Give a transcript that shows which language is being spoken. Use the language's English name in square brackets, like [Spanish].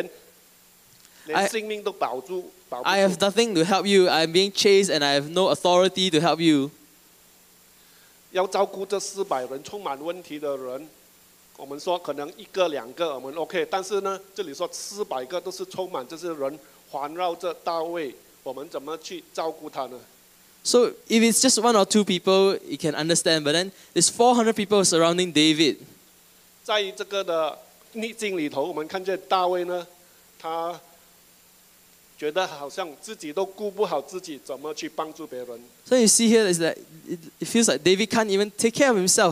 [Chinese] 我在逃难着，我没有权利，没有权势，又没有钱，连性命都保住。 [English] I have nothing to help you. I'm being chased, and I have no authority to help you. [Chinese] 要照顾这400人充满问题的人，我们说可能一个两个我们 OK， 但是呢，这里说400个都是充满这些人环绕着大卫，我们怎么去照顾他呢？ [English] So if it's just one or two people, you can understand. But then there's 400 people surrounding David. [Chinese] 在这个的逆境里头，我们看见大卫呢，他觉得好像自己都顾不好自己，怎么去帮助别人？ [English] So you see here is that it feels like David can't even take care of himself.